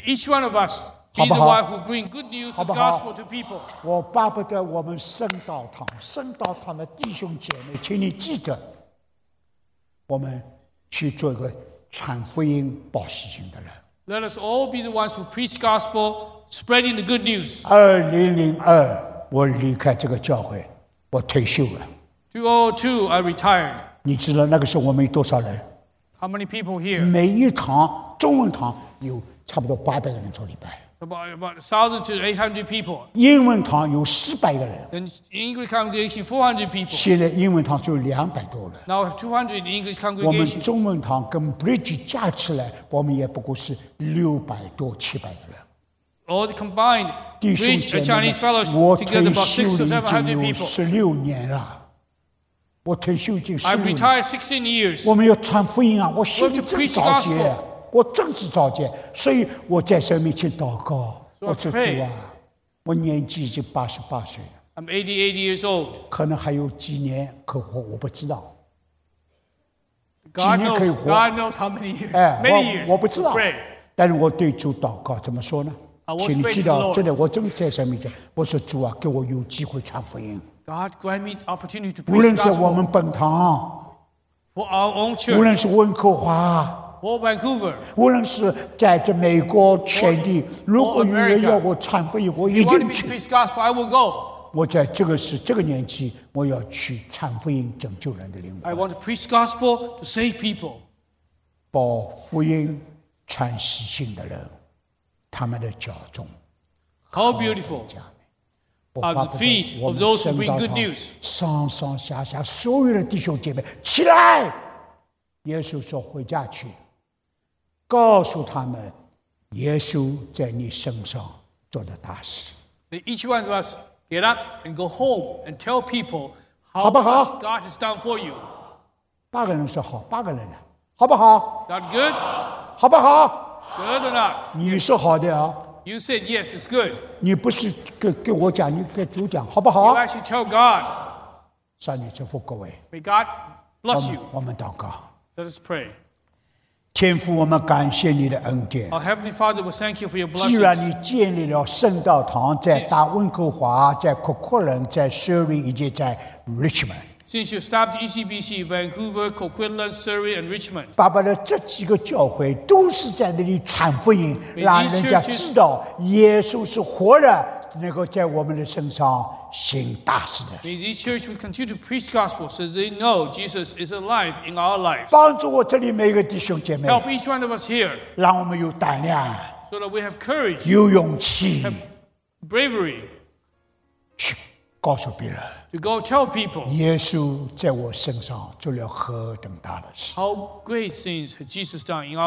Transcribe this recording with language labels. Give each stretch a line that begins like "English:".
English: May each one of us be the one who bring good news of gospel to people.
Chinese: 我巴不得我们圣道堂的弟兄姐妹，请你记得我们去做一个传福音、报喜信的人。
English: Let us all be the ones who preach gospel, spreading the good news.
Chinese: 2002，我离开这个教会，我退休了。
English: 2002, I retired.
Chinese: 你知道那个时候我们有多少人
English: ？How many people here?
Chinese: 每一堂中文堂有差不多800个人做礼拜。
English: About 1,000 to 800 people.
Chinese: 英文堂有400个人。
English: Then English congregation 400 people.
Chinese: 现在英文堂就200多人。
English: Now 200 English congregation.
Chinese: 我们中文堂跟 Bridge 加起来，我们也不过是600多700个人。
English: All the combined Bridge and Chinese fellowship together about 600 to 700 people.
Chinese: 16年了。我退休已经16年。
English: I retired 16 years.
Chinese: 我们要传福音啊！我心里正着急。我正是召见，所以我在神面前祷告。我说主啊，我年纪已经88岁了。
English: I'm 88 years old。
Chinese: 可能还有几年可活，我不知道。
English: God knows,
Chinese: 几年可以活
English: ？God knows how many years. Many years.
Chinese: 我不知道。但是我对主祷告，怎么说呢？请你知道，真的，我正在神面前，我说主啊，给我有机会传福音。
English: God grant me opportunity to.
Chinese: 无论是我们本堂
English: ，For our own church，
Chinese: 无论是温哥华。
English: Or Vancouver,
Chinese: 无论是在这美国全地，如果有人要我传福音，我一定去。我在这个时这个年纪，我要去传福音，拯救人的灵魂。
English: I want to preach gospel to save people.
Chinese: 报福音传喜信的人，他们的脚重。
English: How beautiful are the feet of those who bring good news.
Chinese: 上上下下，所有的弟兄姐妹，起来！耶稣说：“回家去。” 告诉他们，耶稣在你身上做的大事。
English: May each one of us get up and go home and tell people how
Chinese: 好不好
English: God has done for you.
Chinese: 八个人说好，八个人呢？好不好
English: ？Not good.
Chinese: 好不好
English: ？Good or not?
Chinese: 你是好的啊。
English: You said yes, it's good.
Chinese: 你不是跟我讲，你跟主讲，好不好
English: ？You actually tell God.
Chinese: 上帝祝福各位。
English: May God bless you.
Chinese: 我们祷告。
English: Let us pray.
Chinese: 天父，我们感谢你的恩典。
English: Our Heavenly Father, we thank you for your blessings.
Chinese: 既然你建立了圣道堂，在大温哥华，在可可伦，在 Surrey 以及在 Richmond。
English: Since you established ECBC, Vancouver, Coquitlam, Surrey, and Richmond.
Chinese: 爸爸的这几个教会都是在那里传福音，让人家知道耶稣是活的，能够在我们的身上行大事的。
English: May these churches continue to preach gospel so they know Jesus is alive in our lives.
Chinese: 帮助我这里每一个弟兄姐妹。
English: Help each one of us here.
Chinese: 让我们有胆量。
English: So that we have courage.
Chinese: 有勇气。
English: Bravery.
Chinese: 去告诉别人。
English: To go tell people.
Chinese: 耶稣在我身上做了何等大的事。
English: How great things has Jesus done in our